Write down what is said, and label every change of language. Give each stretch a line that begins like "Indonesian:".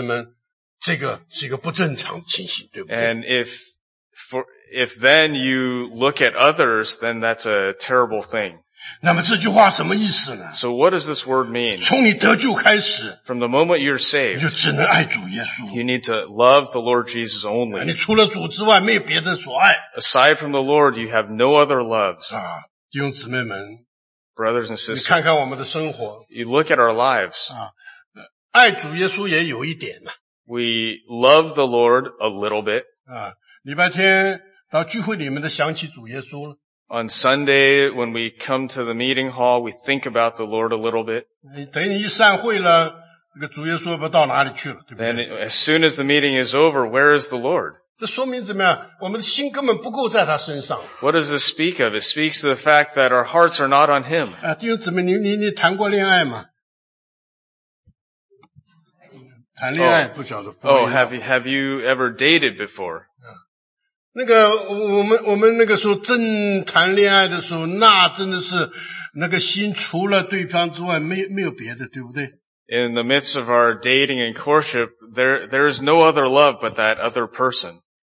Chinese: 那么,你还去到处跟这个跟那个的,弟兄姊妹们,这个是一个不正常情形,对不对?
English: And if then you look at others, then that's a terrible thing.
Chinese: 那么这句话什么意思呢?
English: So what does this word mean?
Chinese: 从你得救开始,
English: from the moment you're saved,
Chinese: 你就只能爱主耶稣,
English: you need to love the Lord Jesus only.
Chinese: 你除了主之外, 没有别的所爱。
English: Aside from the Lord, you have no other loves.
Chinese: 啊, 弟兄姊妹们,
English: brothers and sisters,
Chinese: 你看看我们的生活,
English: you look at our lives.
Chinese: 啊, 爱主耶稣也有一点啊。
English: We love the Lord a little bit.
Chinese: 啊, 礼拜天到聚会里面都想起主耶稣了。
English: On Sunday, when we come to the meeting hall, we think about the Lord a little bit.
Chinese: 等你一散会了,这个主耶稣不到哪里去了,对不对?
English: Then as soon as the meeting is over, where is the Lord?
Chinese: 这说明怎么样? 我们的心根本不够在他身上。
English: What does this speak of? It speaks to the fact that our hearts are not on him.
Chinese: 弟兄姊妹,你谈过恋爱吗? 谈恋爱,不晓得。
English: Oh, have you ever dated before?
Chinese: 那个我们那个时候正谈恋爱的时候，那真的是那个心除了对方之外，没有别的，对不对？
English: In the midst of our dating and courtship, there is no other love but that other person.